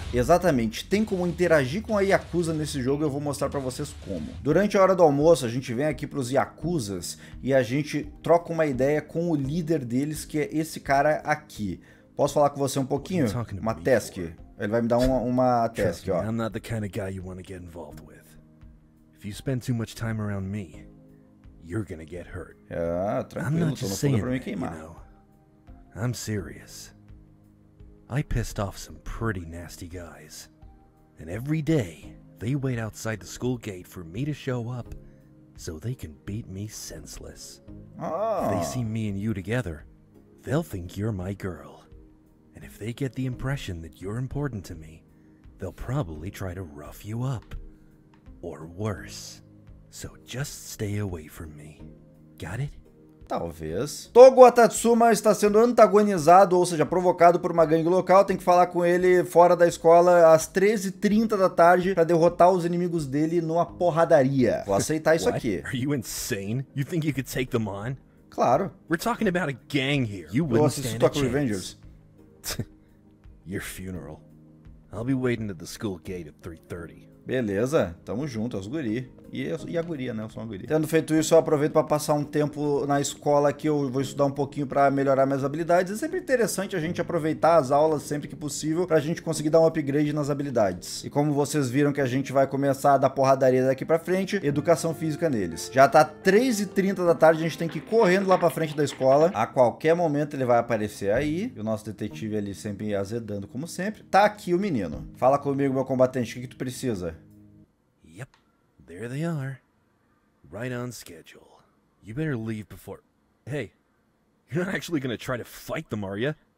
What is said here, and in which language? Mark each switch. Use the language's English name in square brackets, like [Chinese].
[Portuguese] Exatamente, tem como interagir com a Yakuza nesse jogo e eu vou mostrar pra vocês como. Durante a hora do almoço a gente vem aqui pros Yakuzas e a gente troca uma ideia com o líder deles, que é esse cara aqui. Posso falar com você um pouquinho? Uma task. Ele vai me dar uma task, ó. Eu não sou o tipo de cara que você quer se envolver com. [English] If you spend too much time around me, you're gonna get hurt. I'm not just saying that, you know. I'm serious. I pissed off some pretty nasty guys. And every day, they wait outside the school gate for me to show up so they can beat me senseless. If they see me and you together, they'll think you're my girl. And if they get the impression that you're important to me, they'll probably try to rough you up. Or worse. So just stay away from me. Got it? [Portuguese] Talvez. Togo Atatsuma está sendo antagonizado, ou seja, provocado por uma gangue local. Tem que falar com ele fora da escola às 13h30 da tarde para derrotar os inimigos dele numa porradaria. Vou aceitar isso aqui. [English] Are you insane? You think you could take them on? [Portuguese] Claro. [English] We're talking about a gang here. You wouldn't stand a chance. Talk Revengers. Your funeral. I'll be waiting at the school gate at 3:30. [Portuguese] Beleza, tamo junto, os guri. E a guria, né? Eu sou uma guria. Tendo feito isso, eu aproveito pra passar um tempo na escola que eu vou estudar um pouquinho pra melhorar minhas habilidades. É sempre interessante a gente aproveitar as aulas sempre que possível pra gente conseguir dar um upgrade nas habilidades. E como vocês viram que a gente vai começar a dar porradaria daqui pra frente, educação física neles. Já tá 3h30 da tarde, a gente tem que ir correndo lá pra frente da escola. A qualquer momento ele vai aparecer aí. E o nosso detetive ali sempre azedando, como sempre. Tá aqui o menino. Fala comigo, meu combatente, o que tu precisa? [English] There they are, right on schedule. You better leave before... Hey, you're not actually gonna try to fight them, are you?